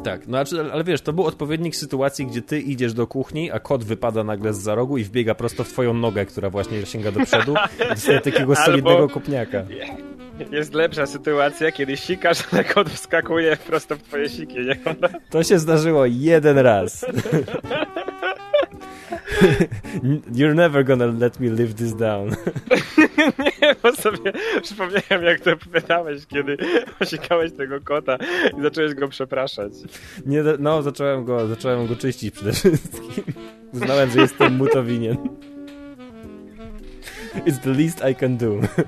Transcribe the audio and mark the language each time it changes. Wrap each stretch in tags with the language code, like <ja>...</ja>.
<pl>Tak, no ale wiesz, to był odpowiednik sytuacji, gdzie ty idziesz do kuchni, a kot wypada nagle zza rogu i wbiega prosto w twoją nogę, która właśnie sięga do przodu i dostaje takiego solidnego kopniaka. Jest lepsza sytuacja, kiedy sikasz, ale kot wskakuje prosto w twoje siki, nie? To się zdarzyło jeden raz.</pl> <en>You're never gonna let me live this down.</en> <pl>Nie, bo sobie przypomniałem, jak to pytałeś, kiedy osikałeś tego kota i zacząłeś go przepraszać. Nie, no, zacząłem go czyścić przede wszystkim. Uznałem, że jestem mu to winien.</pl> <en>It's the least I can do.</en>